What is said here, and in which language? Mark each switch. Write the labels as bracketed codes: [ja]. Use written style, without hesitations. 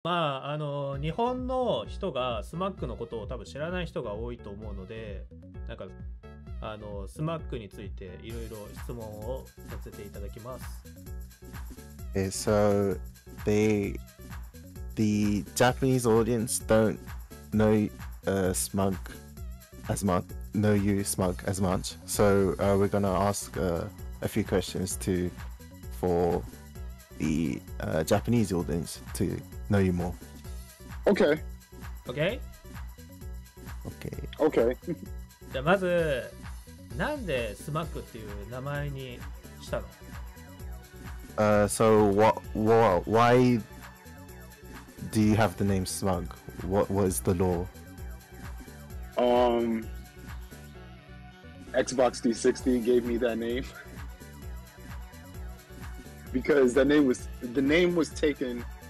[ja] まあ、日本の人がスマックのことを多分知らない人が多いと思うので、なんかスマックについていろいろ質問をさせていただきます。 [en] So the Japanese audience don't know smug as much, know you smug as much. So we're gonna ask a few questions to for the Japanese audience to know you more. Okay. Okay. Okay. Okay. [ja] じゃあまずなんでスマックっていう名前にしたの？ [en] So why do you have the name smug? What is the law? Xbox 360 gave me that name because the name was taken.